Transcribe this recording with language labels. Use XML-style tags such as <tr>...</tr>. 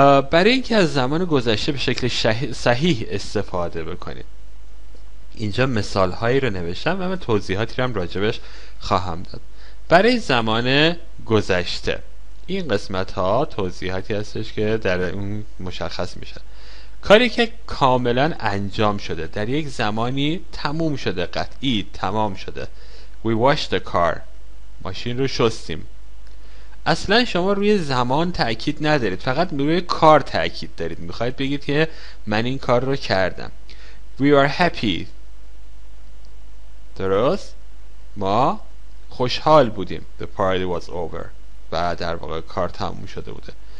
<fa>برای اینکه از زمان گذشته به شکل صحیح استفاده بکنید، اینجا مثال هایی رو نوشتم و من توضیحاتی رو هم راجبش خواهم داد. برای زمان گذشته این قسمت ها توضیحاتی هستش که در اون مشخص میشه، کاری که کاملا انجام شده در یک زمانی تموم شده، قطعی تمام شده.</fa> <en>We washed the car،</en> <fa>ماشین رو شستیم. اصلا شما روی زمان تأکید ندارید، فقط روی کار تأکید دارید، میخواید بگید که من این کار رو کردم.</fa> <en>We are happy،</en> <fa>درست؟ ما خوشحال بودیم.</fa> <en>The party was over،</en> <fa>و در واقع کار تموم شده بوده.</fa>